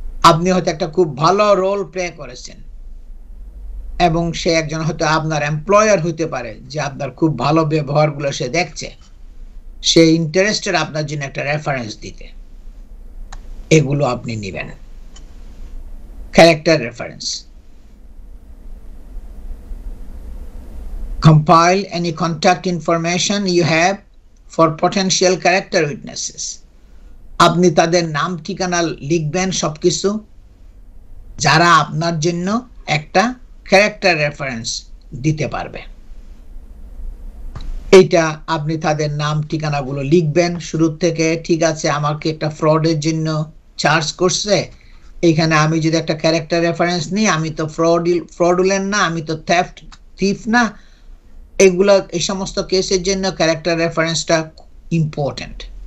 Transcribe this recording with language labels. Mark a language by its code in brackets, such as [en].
[bn] আপনি হয়তো একটা খুব ভালো রোল প্লে করেছেন এবং সে একজন হয়তো আপনার এমপ্লয়ার হইতে পারে, যে আপনার খুব ভালো ব্যবহারগুলো সে দেখছে, সে ইন্টারেস্টেড আপনার জন্য একটা রেফারেন্স দিতে, এগুলো আপনি নেবেন character reference. [en] Compile any contact information you have for potential character witnesses. [bn] আপনি তাদের নাম ঠিকানা লিখবেন সব কিছু, যারা আপনার জন্য একটা ক্যারেক্টার রেফারেন্স দিতে পারবে। এইটা আপনি তাদের নাম ঠিকানাগুলো লিখবেন শুরুর থেকে, ঠিক আছে আমাকে একটা ফ্রডের জন্য চার্জ করছে, এখানে আমি যদি একটা ক্যারেক্টার রেফারেন্স নিই, আমি তো ফ্রডুলেন্ট না, আমি তো থেফট থিফ না, এগুলো এই সমস্ত কেসের জন্য ক্যারেক্টার রেফারেন্সটা ইম্পর্টেন্ট।